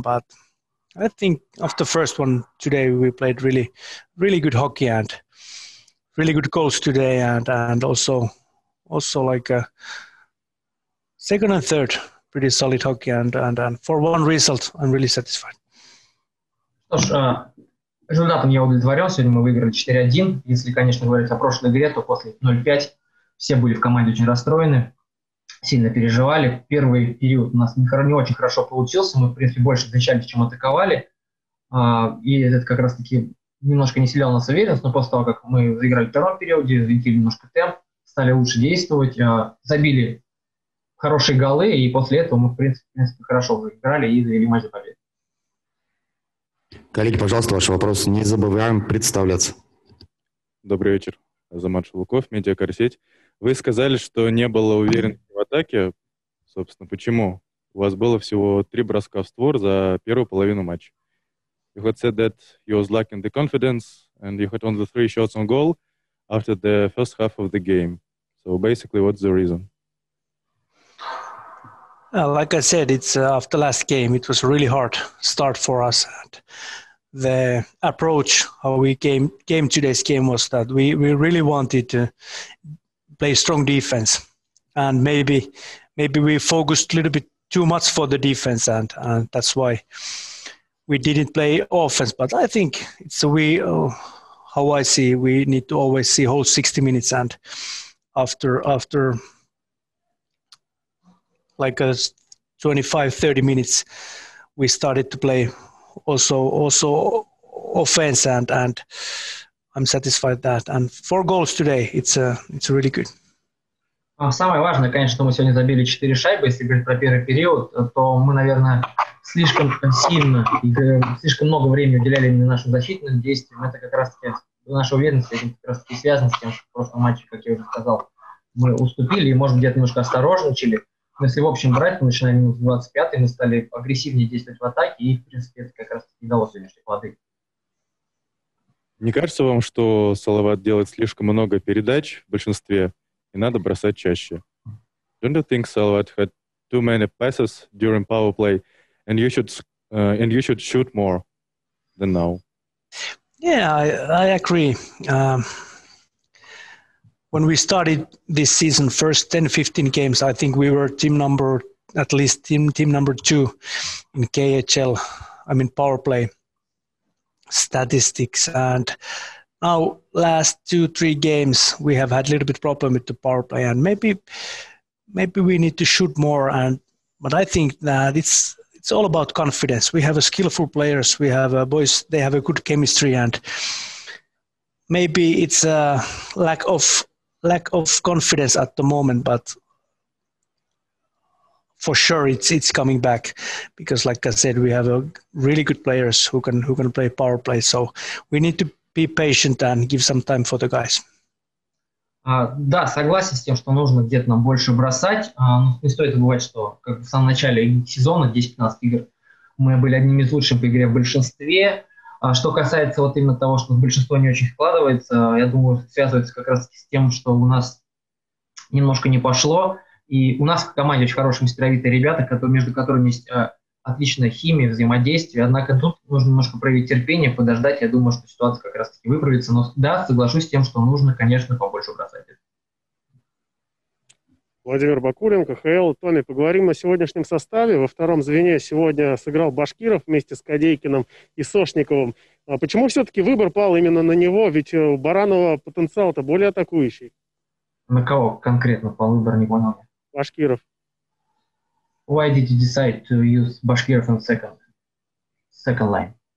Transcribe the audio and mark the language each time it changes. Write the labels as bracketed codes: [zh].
[en] But I think after the first one today, we played really, really good hockey and really good goals today, and also like a second and third, pretty solid hockey, and for one result, I'm really satisfied. [ru] Что ж, результатом я удовлетворен. Сегодня мы выиграли 4-1. Если, конечно, говорить о прошлой игре, то после 0-5 все были в команде очень расстроены, сильно переживали. Первый период у нас не очень хорошо получился. Мы, в принципе, больше отвечались, чем атаковали. И это как раз-таки немножко не вселяло нас уверенность. Но после того, как мы заиграли в втором периоде, взвинтили немножко темп, стали лучше действовать, забили хорошие голы. И после этого мы, в принципе, хорошо выиграли и завели матч до победы. Коллеги, пожалуйста, ваши вопросы. Не забываем представляться. Добрый вечер. Азамат Шелуков, Медиакорсеть. Вы сказали, что не было уверенности в атаке. Собственно, почему? У вас было всего 3 броска в створ за первую половину матча. [en] You had said that you was lacking the confidence and you had only 3 shots on goal after the first half of the game. So basically, what's the reason? Like I said, it's after last game. It was a really hard start for us. And the approach how we came today's game was that we really wanted to play strong defense, and maybe we focused a little bit too much for the defense, and that's why we didn't play offense. But I think it's how I see we need to always see whole 60 minutes, and after. Like 25-30 minutes, we started to play also offense, and I'm satisfied that. And 4 goals today, it's really good. [ru] Самое важное, конечно, мы сегодня забили 4 шайбы. Если говорить про первый период, то мы, наверное, слишком сильно и слишком много времени уделяли именно нашим защитным действиям. Это как раз таки наша уверенность, это как раз таки связано с тем, что в прошлом матче, как я уже сказал, мы уступили и, может, где-то немножко осторожничали. Если в общем брать, то начиная минус 25, мы стали агрессивнее действовать в атаке, и, в принципе, это как раз и дало сегодняшние плоды. Не кажется вам, что Салават делает слишком много передач в большинстве, и надо бросать чаще? [en] Don't you think Салават had too many passes during power play, and you should shoot more than now? Yeah, I agree. When we started this season, first 10-15 games, I think we were team number two in KHL, I mean power play statistics. And now last 2-3 games, we have had a little bit problem with the power play, and maybe we need to shoot more. But I think that it's all about confidence. We have a skillful players, we have a boys, they have a good chemistry, and maybe it's a lack of confidence at the moment, but for sure it's coming back, because like I said, we have a really good players who can play power play, so we need to be patient and give some time for the guys. [ru] Да, согласен с тем, что нужно где-то нам больше бросать. Не стоит забывать, что как в самом начале сезона 10-15 игр мы были одними из лучших по игре в большинстве. Что касается вот именно того, что большинство не очень складывается, я думаю, связывается как раз с тем, что у нас немножко не пошло. И у нас в команде очень хорошие мастеровитые ребята, между которыми есть отличная химия, взаимодействие. Однако тут нужно немножко проявить терпение, подождать. Я думаю, что ситуация как раз-таки выправится. Но да, соглашусь с тем, что нужно, конечно, побольше бросать. Владимир Бакулин, КХЛ. Томми, поговорим о сегодняшнем составе. Во втором звене сегодня сыграл Башкиров вместе с Кадейкиным и Сошниковым. А почему все-таки выбор пал именно на него? Ведь у Баранова потенциал-то более атакующий. На кого конкретно пал выбор, не понял? Башкиров. [en] Why did you decide to use Башкиров in second line?